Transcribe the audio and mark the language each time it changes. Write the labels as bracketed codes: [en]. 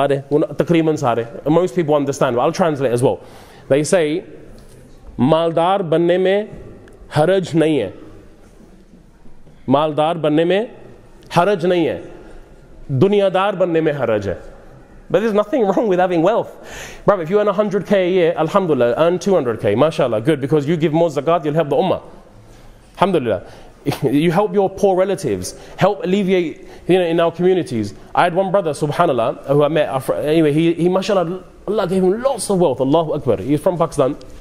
[en] Most people understand, but I'll translate as well. They say, [ur] مالدار بننے میں حرج نہیں ہے. مالدار بننے میں حرج نہیں ہے. دنیادار بننے میں حرج ہے. [en] But there's nothing wrong with having wealth. Brother, if you earn 100k a year, alhamdulillah, earn 200k, mashallah, good, because you give more zakat, you'll help the ummah. Alhamdulillah. You help your poor relatives, help alleviate, you know, in our communities. I had one brother, subhanallah, who I met. Anyway, he mashallah, Allah gave him lots of wealth, Allahu Akbar. He's from Pakistan.